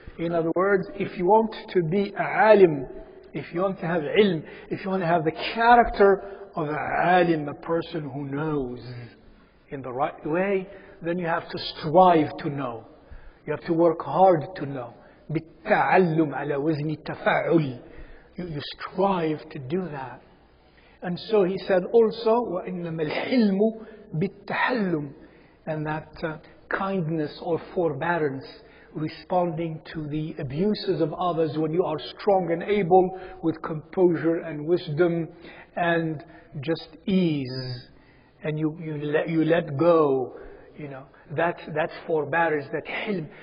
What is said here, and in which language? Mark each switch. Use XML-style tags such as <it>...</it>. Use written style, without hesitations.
<en>In other words, if you want to be a alim, if you want to have ilm, if you want to have the character of a alim, a person who knows in the right way, then you have to strive to know. You have to work hard to know.</en> <ar>بالتعلم على وزن التفاعل.</ar> <en>You strive to do that. And so he said also,</en> <ar>وَإِنَّمَا الْحِلْمُ بِالتَّحَلُّمُ.</ar> <en>And that kindness or forbearance, responding to the abuses of others when you are strong and able, with composure and wisdom and just ease, and you let go, you know, that's forbearance, that hilm.</en>